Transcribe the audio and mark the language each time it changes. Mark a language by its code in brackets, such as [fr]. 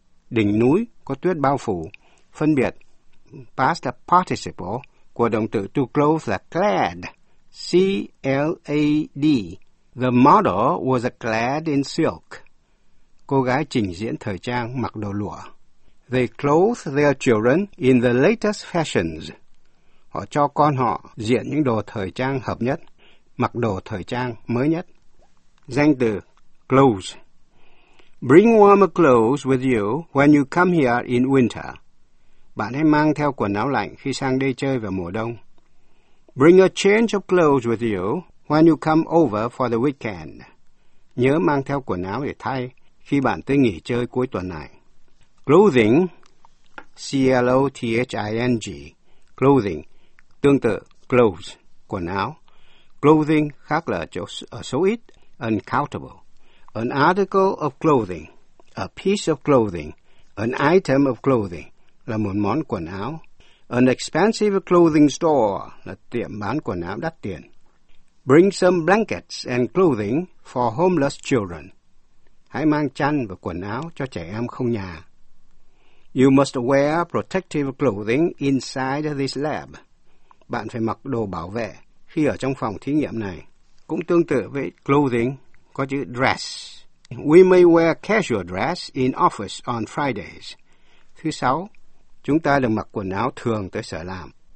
[vi] Đỉnh núi có tuyết bao phủ. Phân biệt past participle của động từ to clothe là clad, C-L-A-D. [en] The model was clad in silk. [vi] Cô gái trình diễn thời trang mặc đồ lụa. [en] They clothe their children in the latest fashions. [vi] Họ cho con họ diện những đồ thời trang hợp nhất, mặc đồ thời trang mới nhất. Danh từ clothes. [en] Bring warm clothes with you when you come here in winter. [vi] Bạn hãy mang theo quần áo lạnh khi sang đây chơi vào mùa đông. [en] Bring a change of clothes with you when you come over for the weekend. [vi] Nhớ mang theo quần áo để thay khi bạn tới nghỉ chơi cuối tuần này. Clothing, C-L-O-T-H-I-N-G, clothing, tương tự clothes, quần áo. Clothing khác là chỗ ở số ít, uncountable. [en] An article of clothing, a piece of clothing, an item of clothing, [vi] là một món quần áo. [en] An expensive clothing store, [vi] là tiệm bán quần áo đắt tiền. [en] Bring some blankets and clothing for homeless children. [vi] Hãy mang chăn và quần áo cho trẻ em không nhà. [en] You must wear protective clothing inside this lab. [vi] Bạn phải mặc đồ bảo vệ khi ở trong phòng thí nghiệm này. Cũng tương tự với clothing, có chữ dress. [en] We may wear casual dress in office on Fridays. [vi] Thứ sáu, chúng ta được mặc quần áo thường tới sở làm.